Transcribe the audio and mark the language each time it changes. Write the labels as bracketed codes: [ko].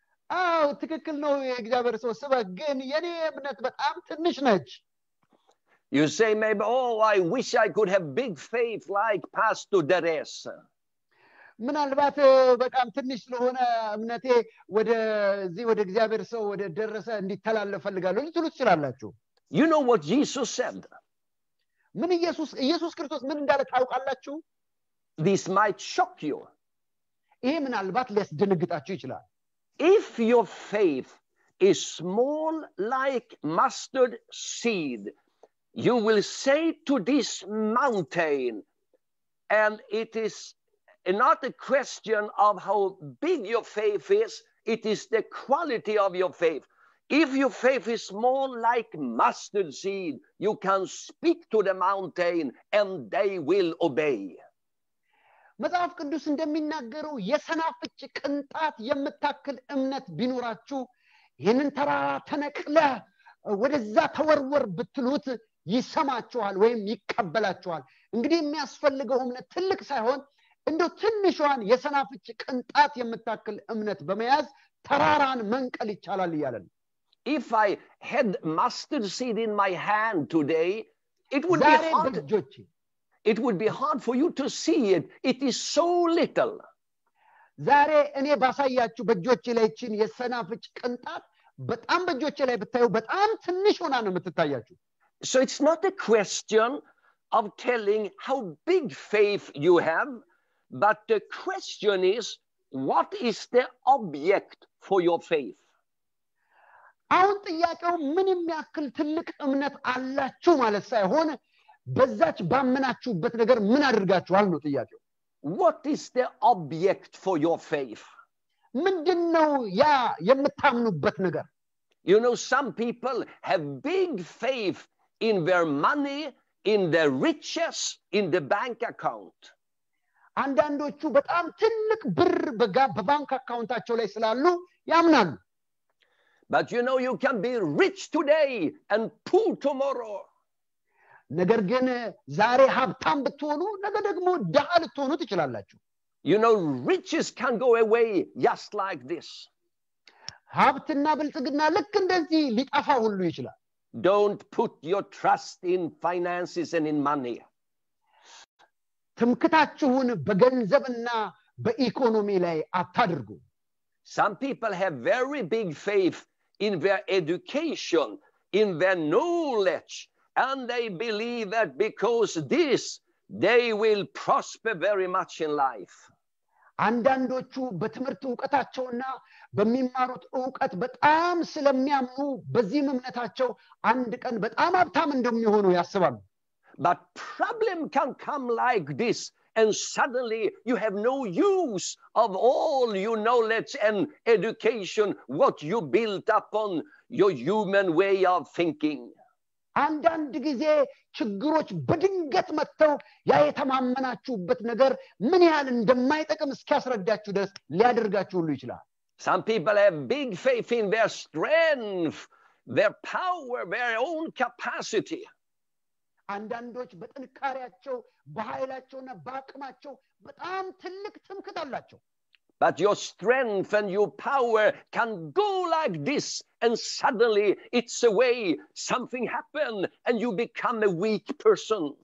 [am] አው ትክክል ነው የእግዚአብሔር ሰው ስበክ ግን የኔ እምነት በጣም ትንሽ ነች. [en] You say maybe I wish I could have big faith like Pastor Deres. [am] ምናልባት በጣም ትንሽ ለሆነ እምነቴ ወደዚህ ወደ እግዚአብሔር ሰው ወደ ደረሰ እንዲተላለፍ ፈልጋለሁ ልትሉ ትችላላችሁ. [en] You know what Jesus said? [am] ምን ኢየሱስ ክርስቶስ ምን እንዳለ ታውቃላችሁ? [en] This might shock you. [am] ይሄ ምናልባት ሊያስደነግጣችሁ ይችላል. [en] If your faith is small like mustard seed, you will say to this mountain, and it is not a question of how big your faith is, it is the quality of your faith. If your faith is small like mustard seed, you can speak to the mountain and they will obey. [am] መጽሐፍ ቅዱስ እንደሚናገረው የሰናፍጭ ቅንጣት የምታክል እምነት ቢኖራችሁ ይሄንን ተራራ ተነቅለ ወደዛ ተወርወር ብትሉት ይሰማችኋል ወይም ይቀበላችኋል. እንግዲህ የሚያስፈልገው እምነት ትልቅ ሳይሆን እንዶ ትንሽዋን የሰናፍጭ ቅንጣት የምታክል እምነት በመያዝ ተራራን መንቀል ይቻላል ይላል. [en] If I had mustard seed in my hand today, it would be hard. It would be hard for you to see it. It is so little. [am] ዛሬ እኔ ባሳያችሁ በጆች ላይ እቺን የሰናፍጭ ቅንጣት በጣም በጆች ላይ ብታዩ በጣም ትንሽ ሆና ነው የምትታያችሁ. [en] So it's not a question of telling how big faith you have, but the question is what is the object for your faith? [am] አሁን ጥያቄው ምንም ያክል ትልቅ እምነት አላችሁ ማለት ሳይሆን በዛች ባመናችሁበት ነገር ምን አድርጋችኋል ነው ጥያቄው. [en] What is the object for your faith? [am] ምንድነው ያ የምታምኑበት ነገር? [en] You know some people have big faith in their money, in their riches, in the bank account. [am] አንዳንዶቹ በጣም ትልቅ ብር በባንክ አካውንታቸው ላይ ስላሉ ያምናሉ. [en] But you know you can be rich today and poor tomorrow. [am] ነገር ግን ዛሬ ሀብታም ብትሆኑ ነገ ደግሞ ድሃ ልትሆኑ ትችላላችሁ. [en] You know riches can go away just like this. [am] ሀብትና ብልጽግና ልክ እንደዚህ ሊጠፋ ሁሉ ይችላል. [en] Don't put your trust in finances and in money. [am] ትምክታችሁን በገንዘብና በኢኮኖሚ ላይ አታድርጉ። [en] Some people have very big faith in their education, in their knowledge, and they believe that because this they will prosper very much in life. [am] አንዳንዶቹ በትምርት ዕውቀታቸውና በሚማሩት ዕውቀት በጣም ስለሚያምኑ በዚህ ምምነታቸው አንድ ቀን በጣም ሀብታም እንደሚሆኑ ያስባሉ። [en] But problem can come like this, and suddenly you have no use of all your knowledge and education, what you built up on your human way of thinking. [am] አንዳንድ ጊዜ ችግሮች በድንገት መጥተው ያ የተማመናችሁበት ነገር ምን ያህል እንደማይጠቅም እስኪያስረዳችሁ ድረስ ሊያደርጋችሁ ሁሉ ይችላል። [en] Some people have big faith in their strength, their power, their own capacity. [am] አንዳንዶች በጥንካሬያቸው በኃይላቸውና በአቅማቸው በጣም ትልቅ ትምክት አላቸው። [en] But your strength and your power can go like this, and suddenly it's a way, something happened, and you become a weak person.